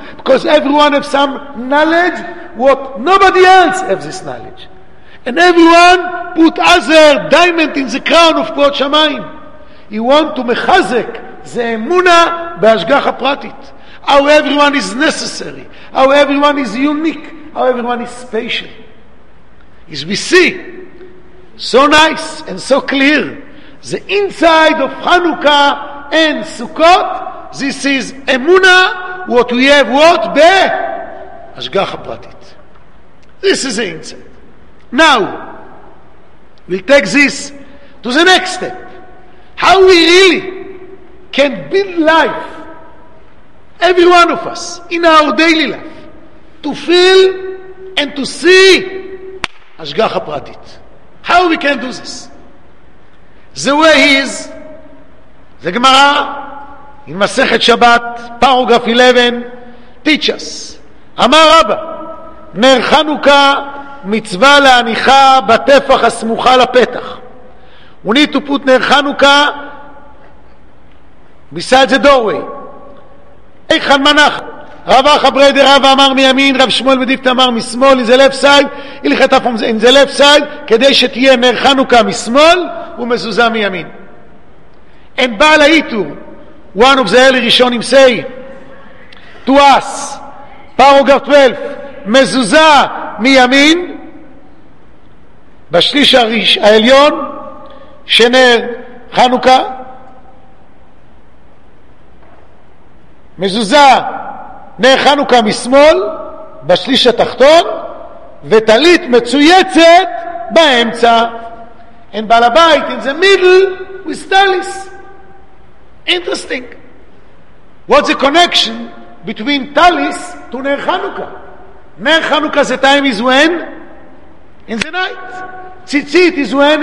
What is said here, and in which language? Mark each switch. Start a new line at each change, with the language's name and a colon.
English: Because everyone has some knowledge what nobody else has this knowledge. And everyone put other diamond in the crown of כבוד שמיים. He want to
Hebrew: מחזק זה אמונה בהשגח הפרטית.
English: How everyone is necessary. How everyone is unique. How everyone is special. As we see, so nice and so clear, the inside of Chanukah and Sukkot, this is Emuna, what we have, what? Be Ashgach HaPratit. This is the inside. Now, we'll take this to the next step. How we really can build life, every one of us, in our daily life, to feel and to see
Hebrew: השגח הפרטית.
English: How we can do this? The way is, the Gemara, in מסכת שבת, paragraph 11, teach us.
Hebrew: אמר רבא, נר חנוכה, מצווה להניחה בטפח הסמוכה לפתח.
English: We need to put נר חנוכה beside the doorway.
Hebrew: איך הנמנך? רב אחא ברדה רב אמר מימין, רב שמואל בדיפתא אמר משמאל,
English: in the left side,
Hebrew: הלכת אפום זה, in the left side, כדי שתהיה נר חנוכה משמאל, ומזוזה מימין. And בעל האיתור,
English: one of the early
Hebrew: ראשונים
English: say, to us, paragraph 12,
Hebrew: מזוזה מימין, בשליש העליון, שנר חנוכה, מזוזה, נר חנוכה משמאל בשליש התחתון וטלית מצויצת באמצע.
English: And בעל הבית in the middle with talis. Interesting. What's the connection between talis to נר חנוכה? נר חנוכה the time is when? In the night. ציצית is when?